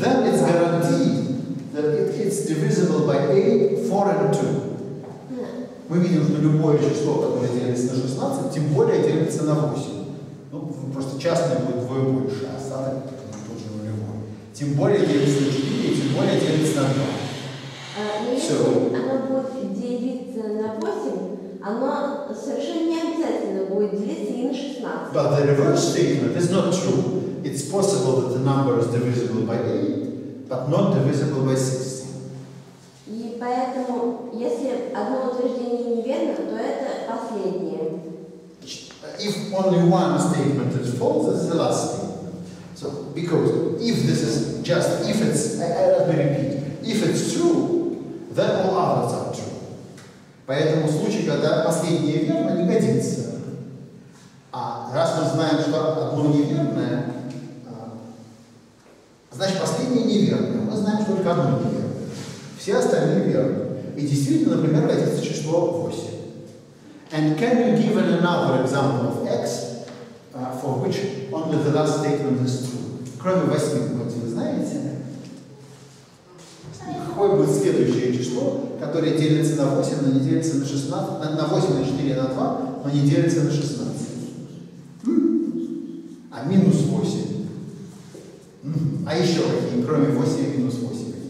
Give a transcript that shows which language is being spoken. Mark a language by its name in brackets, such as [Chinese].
[English] Then it's guaranteed that it is divisible by 8, 4 and 2. [Russian] Мы видим, что любое число, которое делится на 16, тем более делится на 8. Ну, просто частное будет вдвое больше, а остаток. Тем более делится на 4, тем более делится на 2. Если оно будет делиться на 8, оно совершенно не обязательно будет делиться и на 16. [English] But the reverse statement is not true. It's possible that the number is divisible by 8, but not divisible by 16. [Russian] И поэтому, если одно утверждение неверно, то это последнее. [English] If only one statement is false, it's the last statement. So, because if this is just, if it's, let me repeat, if it's true, then all others are true. [Russian] Поэтому случай, когда последнее верно, не годится. А раз мы знаем, что одно неверное, значит, последнее неверное. Мы знаем, что только одно неверное. Все остальные верны. И действительно, например, родится число 8. [English] And can you give another example of x, for which only the last statement is true? [Russian] Кроме 8, вы знаете? Какое будет следующее число, которое делится на 8, но не делится на 16, на 8, на 4, на 2, но не делится на 16? А минус 8? А еще какие, кроме 8 и минус 8?